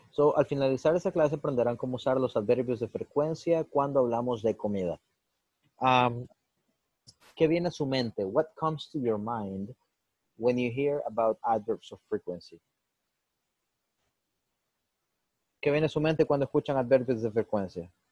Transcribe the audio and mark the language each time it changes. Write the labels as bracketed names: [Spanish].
[Spanish] So, al finalizar esa clase, aprenderán cómo usar los adverbios de frecuencia cuando hablamos de comida. ¿Qué viene a su mente? [English] What comes to your mind when you hear about adverbs of frequency? [Spanish] ¿Qué viene a su mente cuando escuchan adverbios de frecuencia?